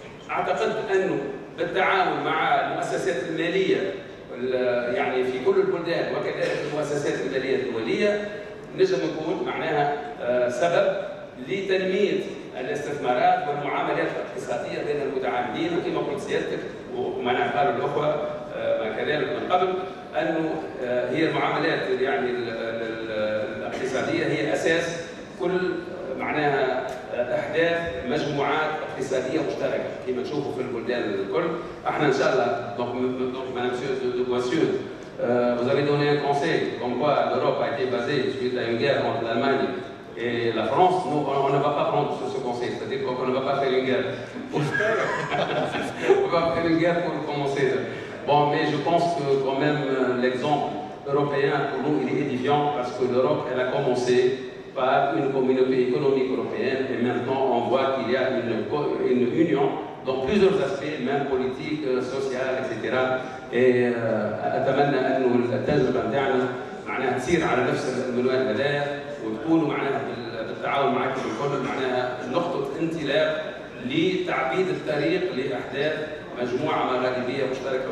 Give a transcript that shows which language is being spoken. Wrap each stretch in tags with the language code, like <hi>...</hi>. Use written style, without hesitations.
<ar>اعتقد انه بالتعاون مع المؤسسات الماليه يعني في كل البلدان وكذلك المؤسسات الماليه الدوليه نجم نكون معناها سبب لتنميه الاستثمارات والمعاملات الاقتصاديه بين المتعاملين، وكما قلت سيادتك ومعنا قالوا الاخوه كذلك من قبل انه هي المعاملات يعني الاقتصاديه هي اساس كل معناها احداث مجموعات اقتصاديه مشتركه كما تشوفوا في البلدان الكل. احنا ان شاء الله دونك مدام سيود</ar> <fr>vous avez donné un conseil comme quoi l'Europe a été basée suite à une guerre entre l'Allemagne et la France. Nous, on ne va pas prendre sur ce conseil, c'est-à-dire qu'on ne va pas faire une guerre. On va faire une guerre pour commencer. Bon, mais je pense que quand même l'exemple européen pour nous il est édifiant parce que l'Europe elle a commencé par une communauté économique européenne et maintenant on voit qu'il y a une union dans plusieurs aspects, même politique, social, etc.</fr> <ar>Et أتمنى أن التجربة تاعنا معناها تسير على نفس المنوال هذايا وتكون معناها بالتعاون معكم الكل معناها نقطة انطلاق لتعبيد الطريق لأحداث مجموعة مغاربية مشتركة.</ar>